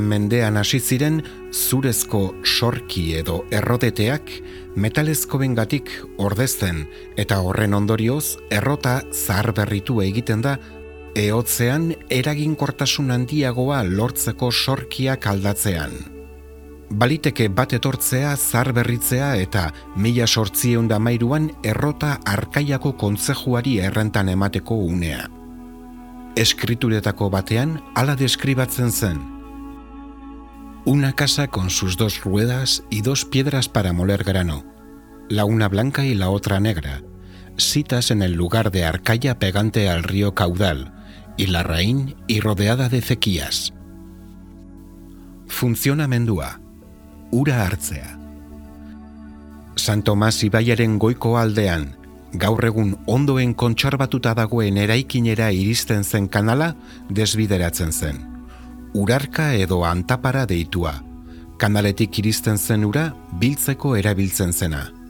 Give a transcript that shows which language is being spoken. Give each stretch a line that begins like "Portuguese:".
Basque: mendean hasi ziren zurezko sorki edo errodeteak metalezkoengatik ordezten eta horren ondorioz errota zaharberritu egiten da ehotzean eraginkortasun handiagoa lortzeko sorkiak aldatzean. Baliteke bat etortzea zaharberritzea eta 1813an errota Arkaiako kontzejuari errentan emateko unea. Eskrituretako batean hala deskribatzen zen:
Spanish: una casa con sus dos ruedas y dos piedras para moler grano, la una blanca y la otra negra, sitas en el lugar de Arkaia pegante al río caudal, y la rain y rodeada de cequías.
Basque: Funtzionamendua, ura hartzea. San Tomas ibaiaren goiko aldean, gaur egun ondoen kontserbatuta dagoen eraikinera iristen zen kanala desbideratzen zen. Urarka edo antapara deitua, kanaletik iristen zen ura biltzeko erabiltzen zena.